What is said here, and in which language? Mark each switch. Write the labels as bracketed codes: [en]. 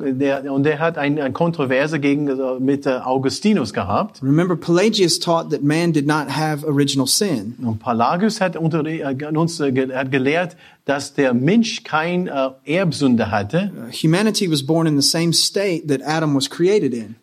[de] Der hat eine Kontroverse mit Augustinus gehabt. [en] Remember, Pelagius taught that man did not have original sin. [de] Und Pelagius hat gelehrt, dass der Mensch kein Erbsünde hatte. [en] Humanity was born in the same state that Adam was created in.